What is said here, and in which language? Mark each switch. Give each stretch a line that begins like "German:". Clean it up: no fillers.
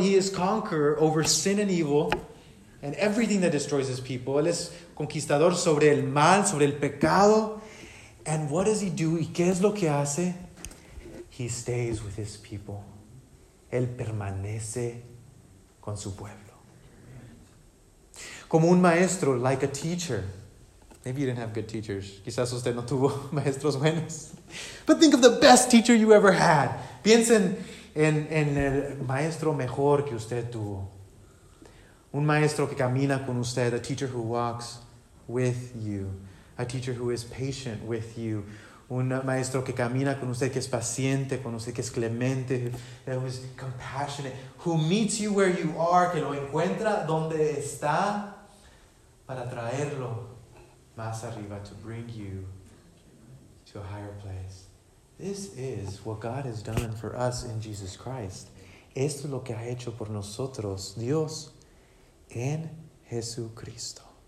English: He is conqueror over sin and evil and everything that destroys his people.
Spanish: Él es conquistador sobre el mal, sobre el pecado.
English: And what does he do?
Spanish: ¿Y qué es lo que hace?
English: He stays with his people.
Spanish: Él permanece con su pueblo. Como un maestro,
English: like a teacher. Maybe you didn't have good teachers.
Spanish: Quizás usted no tuvo maestros buenos.
English: But think of the best teacher you ever had.
Spanish: Piensen en el maestro mejor que usted tuvo. Un maestro que camina con usted.
English: A teacher who walks with you. A teacher who is patient with you.
Spanish: Un maestro que camina con usted, que es paciente con usted, que es clemente,
English: who is compassionate. Who meets you where you are,
Spanish: que lo encuentra donde está para traerlo más arriba,
English: to bring you to a higher place. This is what God has done for us in Jesus Christ.
Spanish: Esto es lo que ha hecho por nosotros Dios en Jesucristo.